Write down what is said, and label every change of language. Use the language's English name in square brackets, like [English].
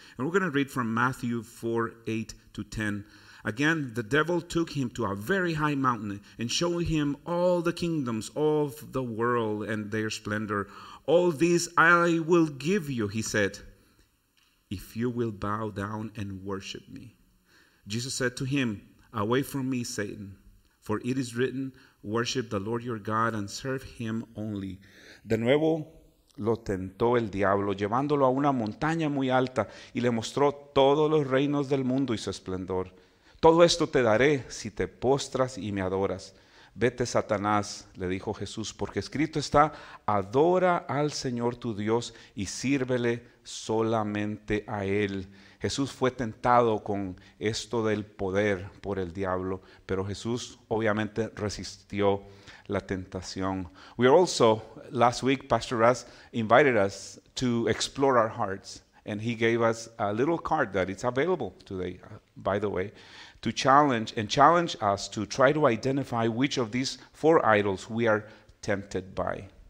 [English] And we're going to read from Matthew 4, 8 to 10. "Again, the devil took him to a very high mountain and showed him all the kingdoms of the world and their splendor. 'All these I will give you,' he said, 'if you will bow down and worship me.' Jesus said to him, 'Away from me, Satan, for it is written, worship the Lord your God and serve him only.' [Spanish] De nuevo lo tentó el diablo, llevándolo a una montaña muy alta, y le mostró todos los reinos del mundo y su esplendor. 'Todo esto te daré si te postras y me adoras.' 'Vete, Satanás,' le dijo Jesús, 'porque escrito está, adora al Señor tu Dios y sírvele solamente a Él.' Jesús fue tentado con esto del poder por el diablo, pero Jesús obviamente resistió la tentación. [English] We also, last week, Pastor Russ invited us to explore our hearts, and he gave us a little card that it's available today, by the way, to challenge and challenge us to try to identify which of these four idols we are tempted by.